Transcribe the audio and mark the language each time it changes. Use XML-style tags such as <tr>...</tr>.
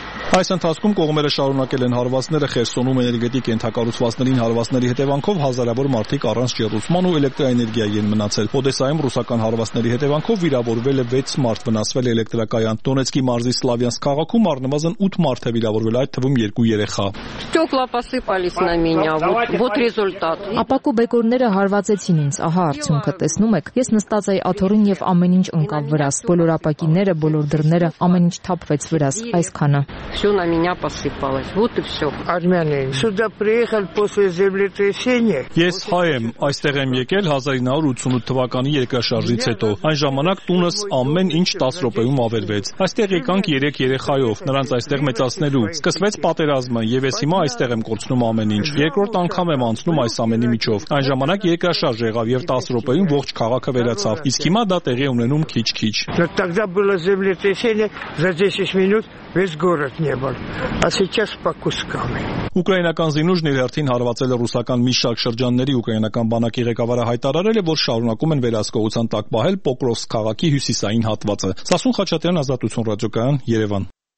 <hy>Այս ընթացքում կողմերը շարունակել են հարվածները Խերսոնում էներգետիկ ենթակառուցվածքներին հարվածների հետևանքով հազարավոր մարդիկ առանց ջերմության ու էլեկտրաէներգիայի են մնացել։ Օդեսայում ռուսական հարվածների հետևանքով վիրավորվել է 6 մարդ, վնասվել է էլեկտրակայան։ Դոնեցկի մարզի Սլավյանսկ քաղաքում առնվազն 8 մարդ է վիրավորվել, այդ թվում 2 երեխա։ Ապակու բեկորները հարվածեցին ինձ, ահա արդյունքը, տեսնում եք, ես նստած էի աթոռին և ամեն ինչ ընկավ վրաս, բոլոր ապակիները, բոլոր դռները, ամեն ինչ թափվեց վրաս, այսքանը։</hy> <ru>Все на меня посыпалось. Вот и все. Армянин. Сюда приехал после землетрясения.</ru> <hy>Ես հայ եմ, այստեղ եմ եկել 1988 թվականի երկրաշարժից հետո։ Այն ժամանակ տունս ամեն ինչ 10 րոպեում ավերվեց։ Այստեղ եկանք 3 երեխայով, նրանց այստեղ մեծացնելու։ Սկսվեց պատերազմը, եւ ես հիմա այստեղ եմ կորցնում ամեն ինչ։ Երկրորդ անգամ եմ անցնում այս ամենի միջով։ Այն ժամանակ երկրաշարժ եղավ եւ 10 րոպեում ողջ քաղաքը վերացավ։ Իսկ հիմա դա տեղի ունենում քիչ-քիչ։</hy> <ru>Тогда было землетрясение за 10 минут весь город не был. А сейчас по кускам.</ru> <hy>Ուկրաինական զինուժն իր հերթին հարվածել է ռուսական մի շարք շրջանների ուկրաինական բանակի ղեկավարը հայտարարել է, որ շարունակում են վերահսկողության տակ պահել Պոկրովսկ քաղաքի հյուսիսային հատվածը։ Սասուն Խաչատրյան, Ազատություն ռադիոկայան, Երևան։</hy>